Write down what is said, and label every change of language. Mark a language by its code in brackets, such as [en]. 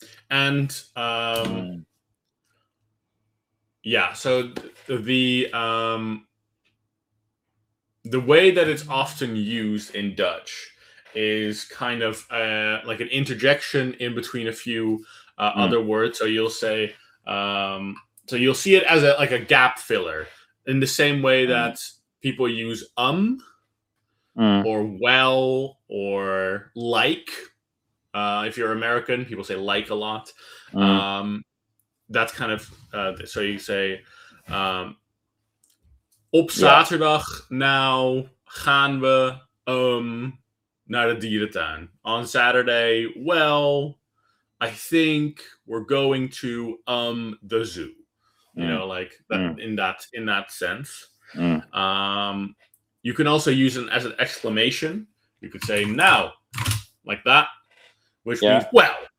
[en] And, yeah, so the way that it's often used in Dutch is kind of like an interjection in between a few other words. So you'll say, so you'll see it as a like a gap filler in the same way that people use or well or like. If you're American, people say like a lot. That's kind of so you say, [nl] op zaterdag nou gaan we naar de dierentuin. [en] On Saturday, well, I think we're going to the zoo. You know, like that, in that sense. You can also use it as an exclamation. You could say now, like that, which means well.